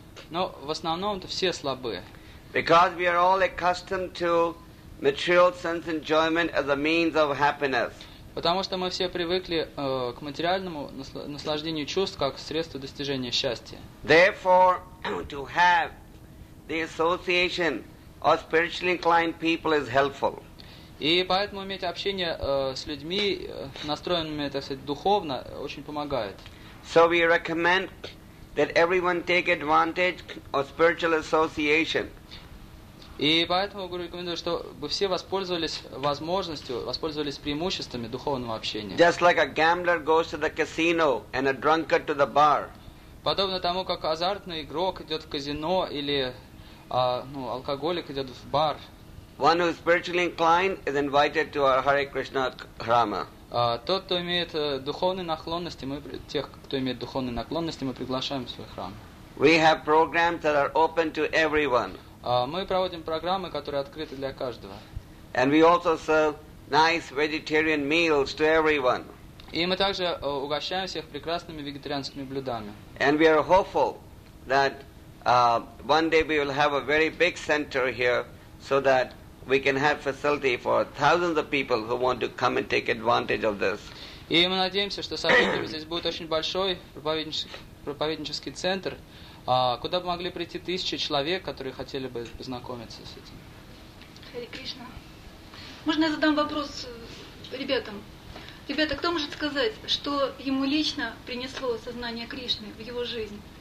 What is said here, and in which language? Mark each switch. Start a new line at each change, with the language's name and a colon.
Russian: Но в основном-то все слабы.
English: Because we are all accustomed to material sense enjoyment as a means of happiness.
Russian: Потому что мы все привыкли к материальному наслаждению чувств как средство достижения счастья.
English: Therefore, to have the association of spiritually inclined people is helpful.
Russian: И поэтому иметь общение с людьми, настроенными, так сказать, духовно, очень помогает.
English: So we recommend that everyone take advantage of spiritual association.
Russian: И поэтому Гуру рекомендую, чтобы все воспользовались возможностью, воспользовались преимуществами духовного общения.
English: Just like a gambler goes to the casino and a drunkard to the bar.
Russian: Подобно тому, как азартный игрок идет в казино или алкоголик идет в бар.
English: One who is spiritually inclined is invited to our Hare Krishna Hrama.
Russian: Тот, кто имеет духовные наклонности, мы тех, кто имеет духовные наклонности, мы приглашаем в свой храм.
English: We have programs that are open to everyone.
Russian: Мы проводим программы, которые открыты для каждого.
English: And we also serve nice vegetarian meals to everyone.
Russian: И мы также угощаем всех прекрасными вегетарианскими блюдами.
English: And we are hopeful that one day we will have a very big center here, so that we can have facility for thousands of people who want to come and take advantage of this.
Russian: И мы надеемся, что со временем здесь будет очень большой проповеднический центр, куда бы могли прийти тысячи человек, которые хотели бы познакомиться с этим. Хари Кришна, можно я задам вопрос ребятам? Ребята, кто может сказать, что ему лично принесло сознание Кришны в его жизнь?